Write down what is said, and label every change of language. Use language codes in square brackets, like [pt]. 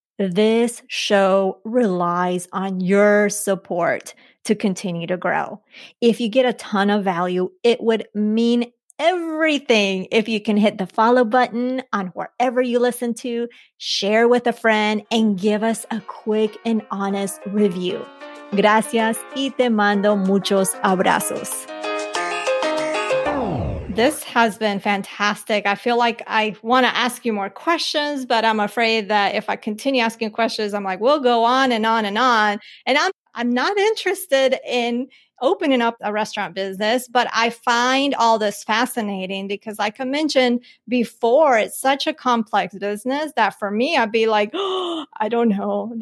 [en] This show relies on your support to continue to grow. If you get a ton of value, it would mean everything if you can hit the follow button on wherever you listen to, share with a friend, and give us a quick and honest review. [es] Gracias y te mando muchos abrazos. [en] This has been fantastic. I feel like I want to ask you more questions, but I'm afraid that if I continue asking questions, I'm like, we'll go on and on and on. And I'm not interested in opening up a restaurant business, but I find all this fascinating because, like I mentioned before, it's such a complex business that for me, I'd be like, oh, I don't know.